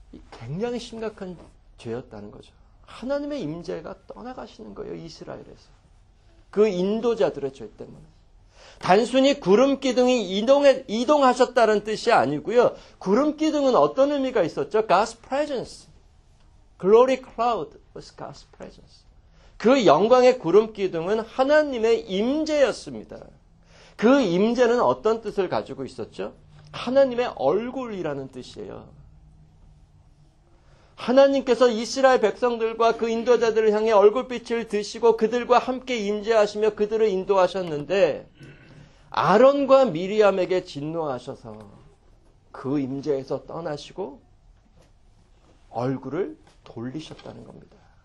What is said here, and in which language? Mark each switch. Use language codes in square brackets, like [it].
[ko] 굉장히 심각한 죄였다는 거죠. 하나님의 임재가 떠나가시는 거예요. 이스라엘에서. 그 인도자들의 죄 때문에. 단순히 구름기둥이 이동하셨다는 뜻이 아니고요. 구름기둥은 어떤 의미가 있었죠? [en] God's presence. Glory cloud was God's presence. [ko] 그 영광의 구름기둥은 하나님의 임재였습니다. 그 임재는 어떤 뜻을 가지고 있었죠? 하나님의 얼굴이라는 뜻이에요. 하나님께서 이스라엘 백성들과 그 인도자들을 향해 얼굴빛을 드시고 그들과 함께 임재하시며 그들을 인도하셨는데 아론과 미리암에게 진노하셔서 그 임재에서 떠나시고 얼굴을 돌리셨다는 겁니다.